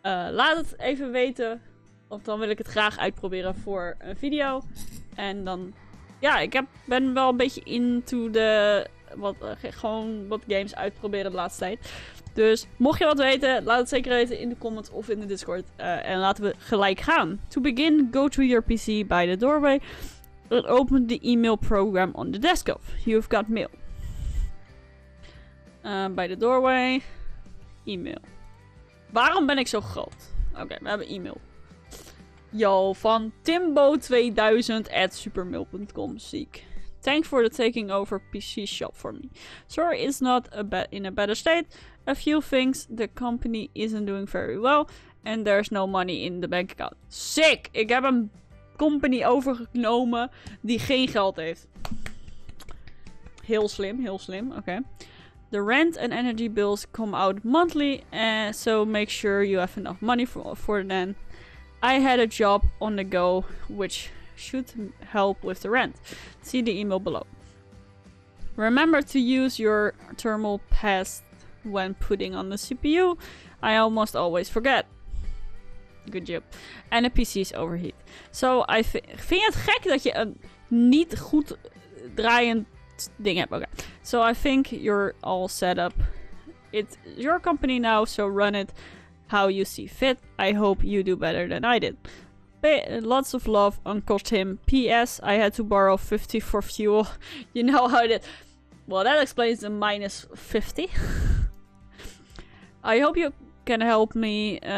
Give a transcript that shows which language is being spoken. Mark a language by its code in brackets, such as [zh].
[nl] Laat het even weten. Want dan wil ik het graag uitproberen voor een video. En dan... Ja, ik ben wel een beetje into de... gewoon wat games uitproberen de laatste tijd. Dus mocht je wat weten, laat het zeker weten in de comments of in de Discord. En laten we gelijk gaan. [en] To begin, go to your PC by the doorway. And open the email program on the desktop. You've got mail. By the doorway. [nl] E-mail. Waarom ben ik zo groot? Oké, we hebben e-mail. Yo, van timbo2000@supermail.com. Ziek. [en] Thanks for the taking over PC shop for me. Sorry, it's not in a better state. A few things the company isn't doing very well. And there's no money in the bank account. Sick! [nl] Ik heb een company overgenomen die geen geld heeft. Heel slim, heel slim. Oké. [en] The rent and energy bills come out monthly. So make sure you have enough money for then. I had a job on the go, which should help with the rent. See the email below. Remember to use your thermal pass when putting on the CPU. I almost always forget. Good job. And the PC is overheat. [nl] So I vind je het gek dat je een niet goed draaiend ding hebt? [en] Okay. So I think you're all set up. It's your company now, so run it how you see fit. I hope you do better than I did. Lots of love, Uncle Tim. P.S. I had to borrow 50 for fuel. You know how it is. Well, that explains the minus 50. I hope you can help me.